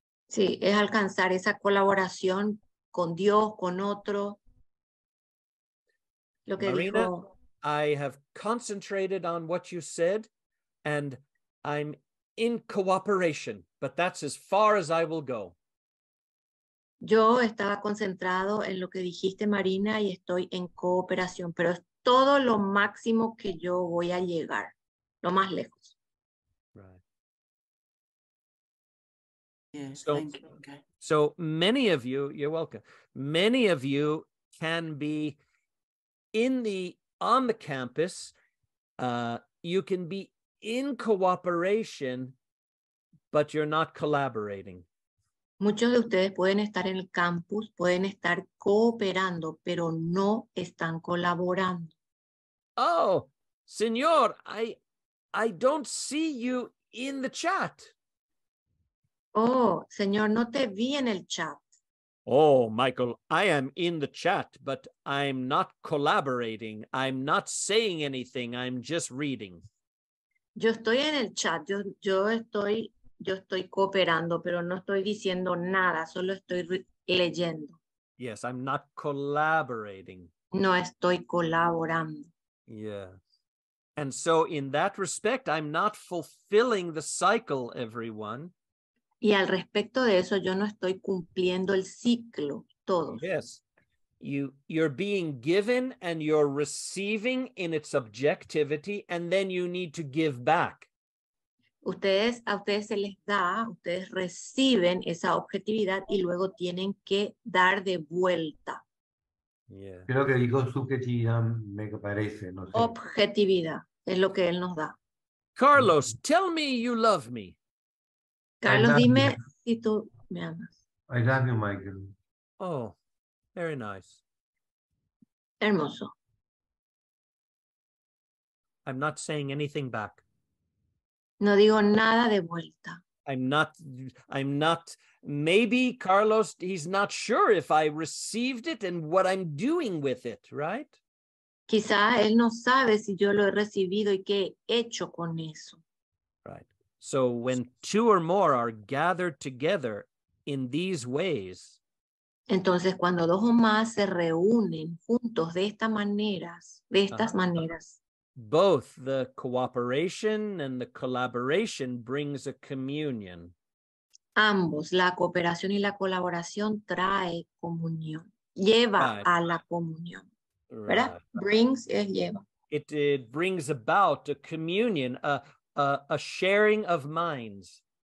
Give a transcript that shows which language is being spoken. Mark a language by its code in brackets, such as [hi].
[es] Sí, es alcanzar esa colaboración con Dios, con otro. Lo que Marina, dijo... [en] I have concentrated on what you said and I'm in cooperation, but that's as far as I will go. [es] Yo estaba concentrado en lo que dijiste, Marina, y estoy en cooperación, pero es todo lo máximo que yo voy a llegar, lo más lejos. [en] Right. Yes, so, thank you. Okay. So many of you, you're welcome. Many of you can be on the campus. You can be in cooperation, but you're not collaborating. [es] Muchos de ustedes pueden estar en el campus, pueden estar cooperando, pero no están colaborando. [en] Oh, señor, I don't see you in the chat. [es] Oh, señor, no te vi en el chat. [en] Oh, Michael, I am in the chat, but I'm not collaborating. I'm not saying anything. I'm just reading. [es] Yo estoy en el chat. Yo estoy cooperando, pero no estoy diciendo nada. Solo estoy leyendo. [en] Yes, I'm not collaborating. [es] No estoy colaborando. [en] Yes. And so in that respect, I'm not fulfilling the cycle, everyone. [es] Y al respecto de eso, yo no estoy cumpliendo el ciclo, todos. [en] Yes. You're being given and you're receiving in its objectivity, and then you need to give back. [es] A ustedes se les da, ustedes reciben esa objetividad y luego tienen que dar de vuelta. [en] Yeah. [es] Creo que dijo subjetividad, me parece. No sé. Objetividad es lo que él nos da. [en] Carlos, tell me you love me. [es] Carlos, dime si tú me amas. [en] I love you, Michael. Oh, very nice. [es] Hermoso. [en] I'm not saying anything back. [es] No digo nada de vuelta. [en] I'm not, maybe Carlos, he's not sure if I received it and what I'm doing with it, right? [es] Quizá él no sabe si yo lo he recibido y qué he hecho con eso. [en] Right. So when two or more are gathered together in these ways. [es] Entonces cuando dos o más se reúnen juntos de esta manera, de estas maneras. [en] Both the cooperation and the collaboration brings a communion. [es] Ambos, la cooperación y la colaboración trae comunión, lleva [en] right. [es] a la comunión, ¿verdad? [en] Right. [es] Brings es lleva. [en] It brings about a communion, a sharing of minds.